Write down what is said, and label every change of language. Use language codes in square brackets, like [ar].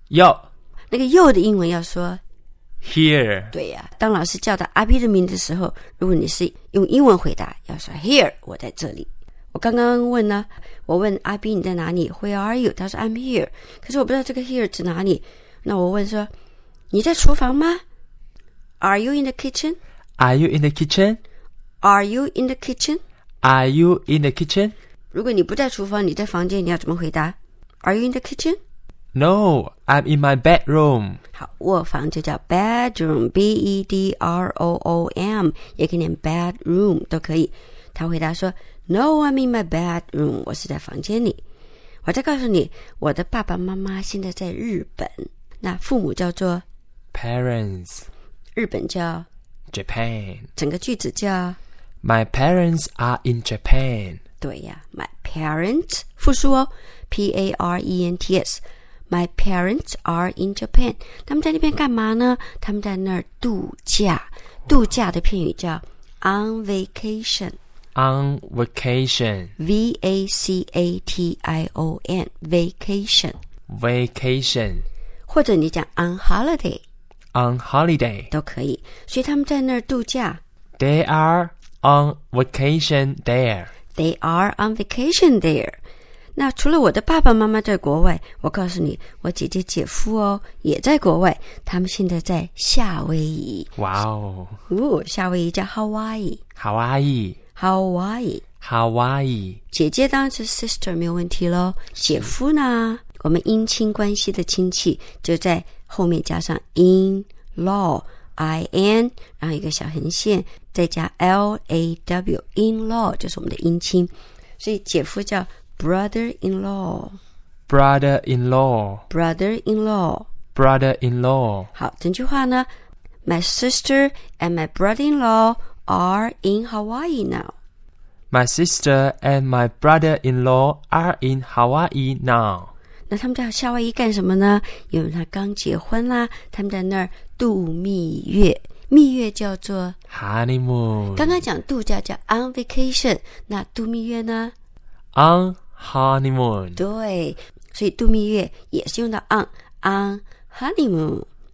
[zh] 要那个又的英文要说。 [en] Here. [zh] 对呀、啊、当老师叫到阿 B 的名字的时候，如果你是用英文回答，要说 Here, 我在这里。我刚刚问呢，我问阿 B 你在哪里 ? [en] Where are you? [zh] 他说 [en] I'm here. [zh] 可是我不知道这个 here 指哪里。那我问说你在厨房吗 ? [en] Are you in the kitchen? Are you in the kitchen? Are you in the kitchen? Are you in the kitchen? [zh] 如果你不在厨房，你在房间，你要怎么回答 ? [en] Are you in the kitchen? No, I'm in my bedroom. [zh] 好，卧房就叫 bedroom, B-E-D-R-O-O-M, 也可以念 bedroom, 都可以。他回答说 [en] No, I'm in my bedroom, [zh] 我是在房间里。我再告诉你，我的爸爸妈妈现在在日本。那父母叫做 [en] Parents. [zh] 日本叫 [en] Japan. [zh] 整个句子叫 [en] My parents are in Japan. [zh] 对呀 , [en] my parents, [zh] 复数哦 ,P-A-R-E-N-T-S. [en] My parents are in Japan. [zh] 他们在那边干嘛呢？他们在那儿度假。度假的片语叫 [en] on vacation. On vacation. V-A-C-A-T-I-O-N. Vacation. Vacation. [zh] 或者你讲 [en] on holiday. On holiday. [zh] 都可以。所以他们在那儿度假。 [en] They are on vacation there. They are on vacation there. [zh] 那除了我的爸爸妈妈在国外，我告诉你，我姐姐姐夫哦也在国外，他们现在在夏威夷。哇、哦夏威夷叫 Hawaii。 [en] Hawaii。 Hawaii。 Hawaii。 [zh] 姐姐当然是 sister 没有问题咯。姐夫呢，我们姻亲关系的亲戚就在后面加上 in-law,in, 然后一个小横线再加 law, in-law, 就是我们的姻亲。所以姐夫叫 brother-in-law [en] brother-in-law brother-in-law brother-in-law [zh] 好，整句话呢 [en] My sister and my brother-in-law are in Hawaii now My sister and my brother-in-law are in Hawaii now [zh] 那他们在夏威夷干什么呢？因为他刚结婚啦，他们在那儿度蜜月蜜月叫做 [en] honeymoon [zh] 刚刚讲度假叫 [en] on vacation [zh] 那度蜜月呢 [en] on honeymoon [zh] 对所以度蜜月也是用到 [en] on honeymoon